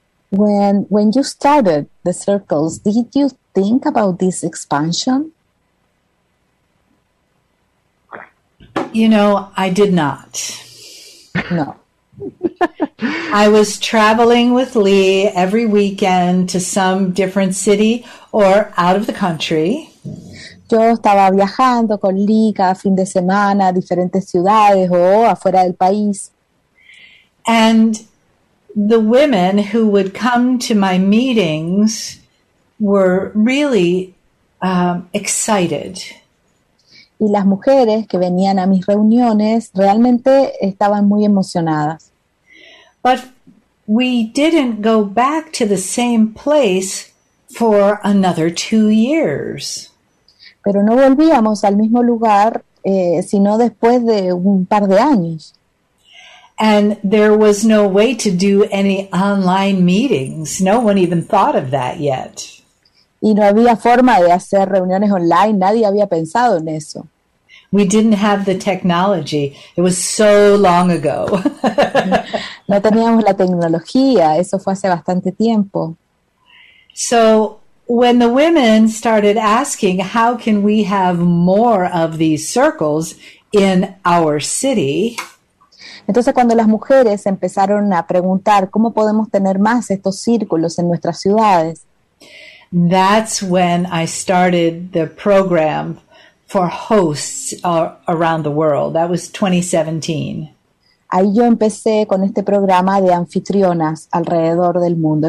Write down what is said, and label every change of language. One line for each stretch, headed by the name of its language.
English: When you started the circles, did you think about this expansion? You know, I did not. No. I was traveling with Lee every weekend to some different city or out of the country.
Spanish: Yo estaba viajando con Lee cada fin de semana a diferentes ciudades o afuera del país.
English: And the women who would come to my meetings were really excited.
Spanish: Y las mujeres que venían a mis reuniones realmente estaban muy emocionadas.
English: But we didn't go back to the same place for another 2 years.
Spanish: Pero no volvíamos al mismo lugar, sino después de un par de años.
English: And there was no way to do any online meetings. No one even thought of that yet.
Spanish: Y no había forma de hacer reuniones online. Nadie había pensado en eso.
English: We didn't have the technology. It was so long ago.
Spanish: No teníamos la tecnología. Eso fue hace bastante tiempo.
English: So when the women started asking, how can we have more of these circles in our city?
Spanish: Entonces cuando las mujeres empezaron a preguntar, ¿cómo podemos tener más estos círculos en nuestras ciudades?
English: That's when I started the program for hosts around the world. That was 2017.
Spanish: Ahí yo empecé con este programa de anfitrionas alrededor del mundo.